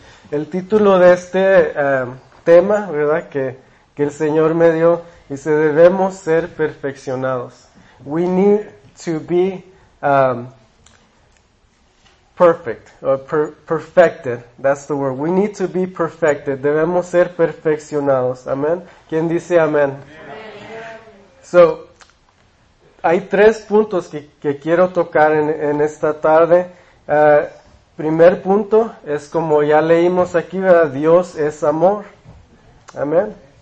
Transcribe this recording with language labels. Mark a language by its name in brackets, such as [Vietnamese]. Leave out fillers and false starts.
[Spanish] El título de este tema, ¿verdad?, que el Señor me dio, dice: debemos ser perfeccionados. [English] We need to be perfect, or perfected, that's the word. We need to be perfected. [Spanish] Debemos ser perfeccionados. Amén. ¿Quién dice amén? [English] Amen. So, [Spanish] hay tres puntos que quiero tocar en esta tarde. Primer punto es, como ya leímos aquí, ¿verdad?, Dios es amor. Amén.